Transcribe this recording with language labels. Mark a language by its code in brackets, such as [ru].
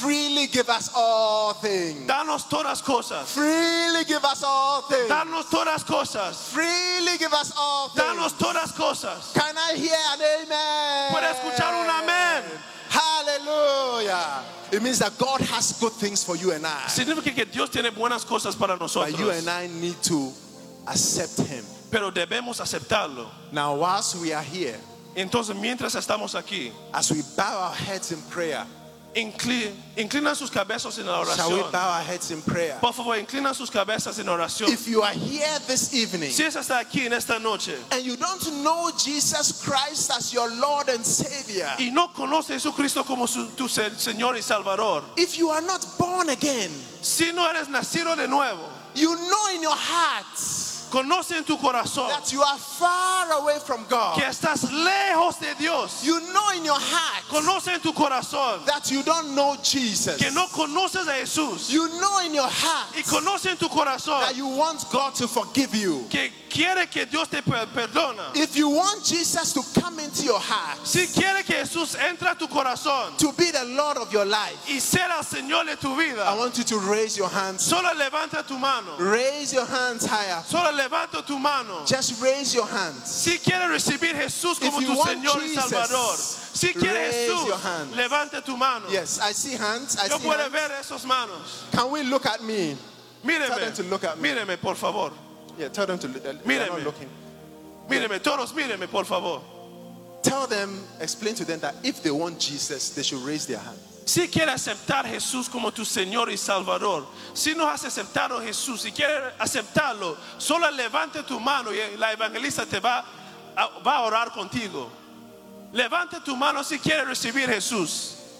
[en] freely give us all things. [es] Danos todas cosas. [en] Freely give us all things. [es] Danos todas cosas. [en] Freely give us all things. [es] Danos todas cosas. [en] Can I hear an amen? [es] ¿Puedo escuchar un amen? [en] Hallelujah. It means that God has good things for you and I. [es] Significa que Dios tiene buenas cosas para nosotros. [en] But you and I need to accept him. [es] Pero debemos aceptarlo. [en] Now, whilst we are here, [es] entonces mientras estamos aquí, [en] as we bow our heads in prayer, [es] inclina sus cabezas en la oración. [en] Shall we bow our heads in prayer? [es] Por favor, inclina sus cabezas en oración. [en] If you are here this evening, [es] si estás aquí en esta noche, [en] and you don't know Jesus Christ as your Lord and Savior, [es] y no conoces a Jesucristo como tu Señor y Salvador, [en] if you are not born again, [es] si no eres nacido de nuevo, [en] you know in your heart, [es] conoce en tu corazón, [en] that you are far away from God. [es] Que estás lejos de Dios. [en] You know in your heart, [es] conoce en tu corazón, [en] that you don't know Jesus. [es] Que no conoces a Jesús. [en] You know in your heart, [es] y conoce en tu corazón, [en] that you want God to forgive you. [es] Que quiere que Dios te perdona. [en] If you want Jesus to come into your heart, [es] si quiere que Jesús entre a tu corazón, [en] to be the Lord of your life, [es] y ser el Señor de tu vida, [en] I want you to raise your hands. [es] Solo levanta tu mano. [en] Raise your hands higher. [es] Solo levanta tu mano. [en] Just raise your hands. [es] Si quieres recibir Jesús como tu Señor y Salvador, si quieres Jesús, levanta tu mano. [en] Yes, I see hands. [es] Yo puedo ver esos manos. [en] Can we look at me? [es] Míreme. [en] Tell them to look at me. [es] Míreme, por favor. [en] Yeah, tell them to look. [es] Míreme. [en] Not looking. [es] Míreme, todos míreme, por favor. [en] Tell them, explain to them that if they want Jesus, they should raise their hand. [es] Si quieres aceptar Jesús como tu Señor y Salvador, si no has aceptado Jesús, si quieres aceptarlo, solo levante tu mano y la evangelista te va a orar contigo. Levante tu mano si quieres recibir Jesús.